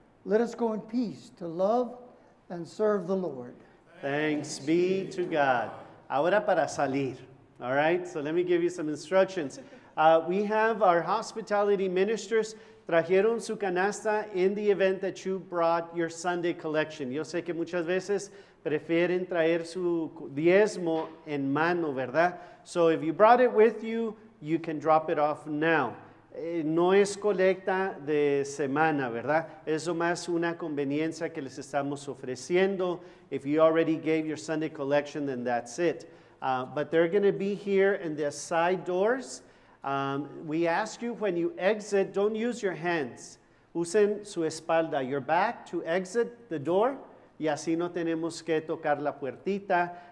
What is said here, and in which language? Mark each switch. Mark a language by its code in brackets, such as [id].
[en] Let us go in peace to love and serve the Lord. Thanks be to God. [es] Ahora para salir. [en] All right, so let me give you some instructions. We have our hospitality ministers. [es] Trajeron su canasta [en] in the event that you brought your Sunday collection. [es] Yo sé que muchas veces prefieren traer su diezmo en mano, ¿verdad? [en] So if you brought it with you, you can drop it off now. [es] No es colecta de semana, ¿verdad? Es más una conveniencia que les estamos ofreciendo. [en] If you already gave your Sunday collection, then that's it. But they're going to be here in the side doors. We ask you when you exit, don't use your hands. [es] Usen su espalda, [en] your back, to exit the door. [es] Y así no tenemos que tocar la puertita.